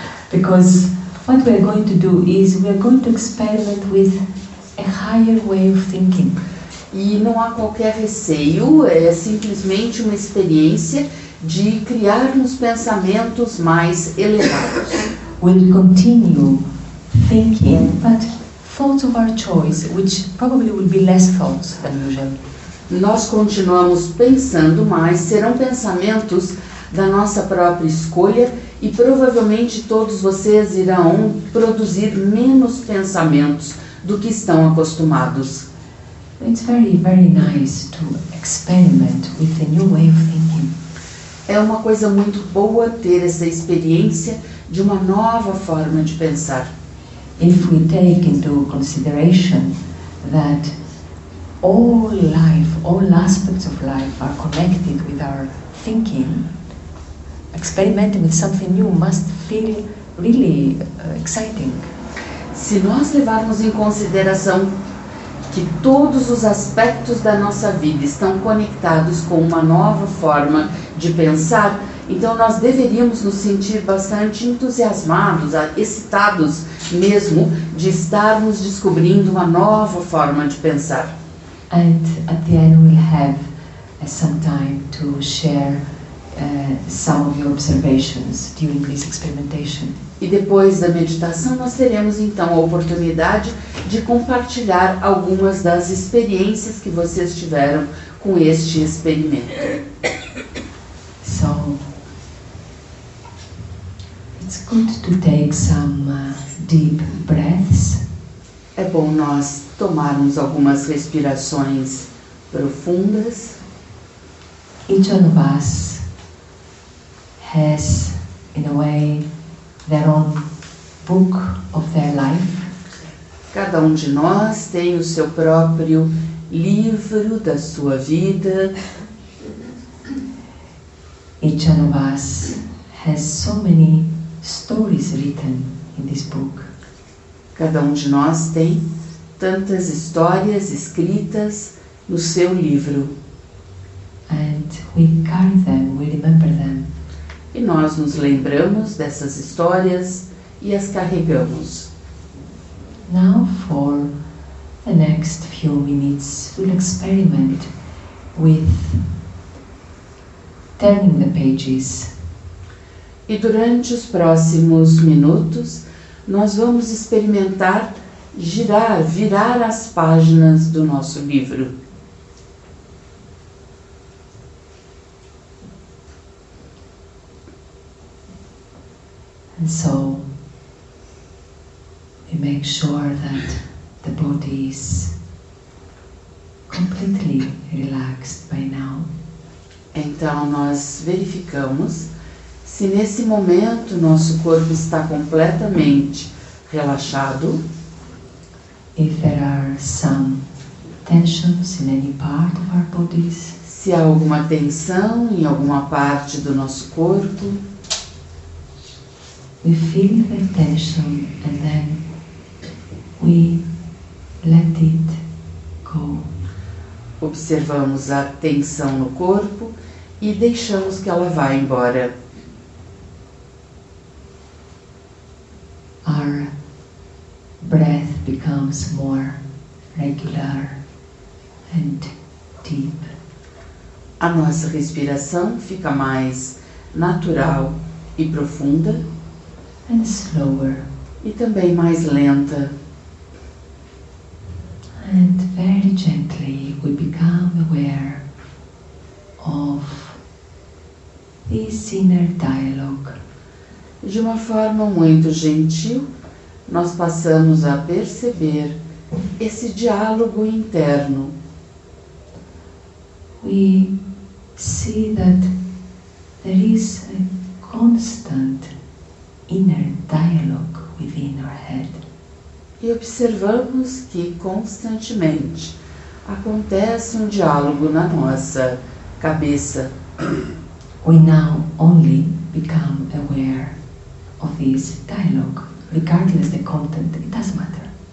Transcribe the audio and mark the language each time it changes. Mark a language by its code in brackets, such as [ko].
[en] Because what we are going to do is we are going to experiment with a higher way of thinking. [pt] E não há qualquer receio, é simplesmente uma experiência de criarmos pensamentos mais elevados. [en] We'll continue thinking, but thoughts of our choice, which probably will be less thoughts than usual. [pt] Nós continuamos pensando, mas serão pensamentos da nossa própria escolha e provavelmente todos vocês irão produzir menos pensamentos do que estão acostumados. [en] It's very, very nice to experiment with a new way of thinking. [pt] É uma coisa muito boa ter essa experiência de uma nova forma de pensar. [en] If we take into consideration that all life, all aspects of life are connected with our thinking, experimenting with something new must feel really exciting. [pt] Se nós levarmos em consideração que todos os aspectos da nossa vida estão conectados com uma nova forma de pensar, então nós deveríamos nos sentir bastante entusiasmados, excitados mesmo, de estarmos descobrindo uma nova forma de pensar. [en] And at the end we have some time to share some of your observations during this experimentation. [pt] E depois da meditação nós teremos então a oportunidade de compartilhar algumas das experiências que vocês tiveram com este experimento. [en] So, it's good to take some deep breaths. [pt] É bom nós tomarmos algumas respirações profundas. [en] Each one of us has, in a way, their own book of their life. [pt] Cada de nós tem o seu próprio livro da sua vida. [en] Each one of us has so many stories written in this book. [pt] Cada de nós tem tantas histórias escritas no seu livro. [en] And we carry them, we remember them. [pt] E nós nos lembramos dessas histórias e as carregamos. [en] Now for the next few minutes, we'll experiment with turning the pages. [pt] E durante os próximos minutos, nós vamos experimentar virar as páginas do nosso livro. [en] And so, we make sure that the body is completely relaxed by now. [pt] Então, nós verificamos se nesse momento nosso corpo está completamente relaxado. [en] If there are some tensions in any part of our bodies. [pt] Se há alguma tensão em alguma parte do nosso corpo. [en] We feel the tension and then we let it go. [pt] Observamos a tensão no corpo e deixamos que ela vá embora. [en] Our breath becomes more regular and deep. [pt] A nossa respiração fica mais natural e profunda. [en] And slower. [pt] E também mais lenta. [en] And very gently we become aware of this inner dialogue. [pt] De uma forma muito gentil, nós passamos a perceber esse diálogo interno. [en] We see that there is a constant inner dialogue within our head. [pt] E observamos que constantemente acontece um diálogo na nossa cabeça. [en] We now only become aware of this dialogue, regardless the content, it doesn't matter.